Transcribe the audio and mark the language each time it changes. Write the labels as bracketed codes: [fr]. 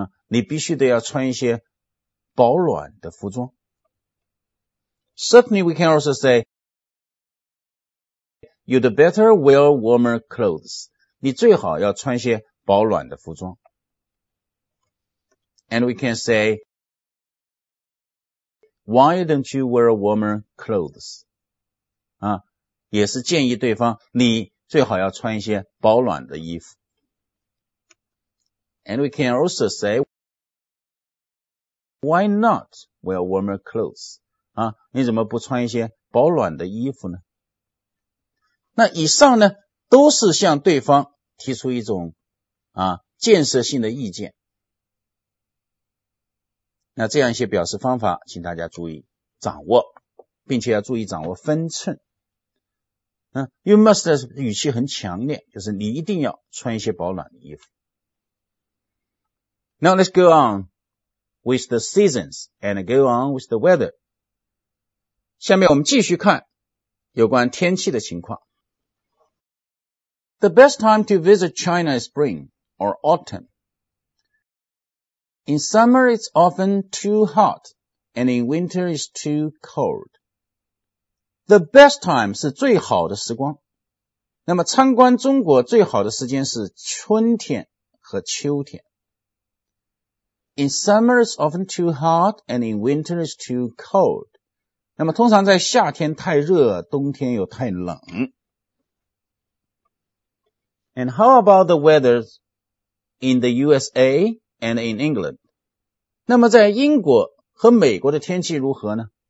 [zh] 你必须得要穿一些保暖的服装。 [en] Certainly, we can also say, you'd better wear warmer clothes. [zh] 你最好要穿些保暖的服装。 [en] And we can say, why don't you wear warmer clothes? [zh] 也是建议对方，你最好要穿一些保暖的衣服。 [en] And we can also say,Why not wear warmer clothes? [zh] 你怎么不穿一些保暖的衣服呢？那以上呢，都是向对方提出一种建设性的意见。那这样一些表示方法，请大家注意掌握，并且要注意掌握分寸。 [en] You must [zh] 的语气很强烈，就是你一定要穿一些保暖的衣服。 [en] Now let's go on. With the seasons and go on with the weather. [zh] 下面我们继续看有关天气的情况。 [en] The best time to visit China is spring or autumn. In summer, it's often too hot, and in winter, it's too cold. The best time [zh] 是最好的时光。那么参观中国最好的时间是春天和秋天。 [en] In summer it's often too hot and in winter it's too cold. [zh] 那么通常在夏天太热冬天又太冷。 [en] And how about the weather in the USA and in England? [zh] 那么在英国和美国的天气如何呢?